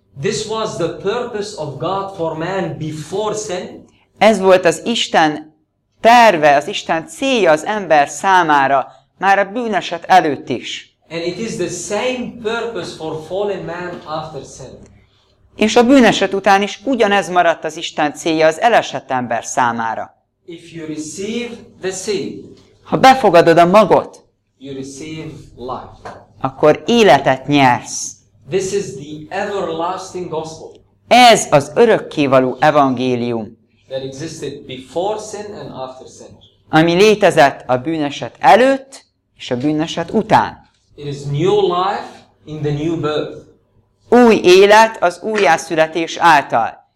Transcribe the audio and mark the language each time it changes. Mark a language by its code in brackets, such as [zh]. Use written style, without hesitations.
[en] This was the purpose of God for man before sin. [hu] Ez volt az Isten terve, az Isten célja az ember számára, már a bűneset előtt is. [en] And it is the same purpose for fallen man after sin. [hu] És a bűneset után is ugyanez maradt az Isten célja az elesett ember számára. [en] If you receive the seed, [hu] ha befogadod a magot, [en] you receive life. [hu] Akkor életet nyersz. [en] This is the everlasting gospel. [hu] Ez az örökkévaló evangélium. [en] That existed before sin and after sin. [hu] Ami létezett a bűneset előtt és a bűneset után. [en] It is new life in the new birth. [hu] Új élet az újjászületés által.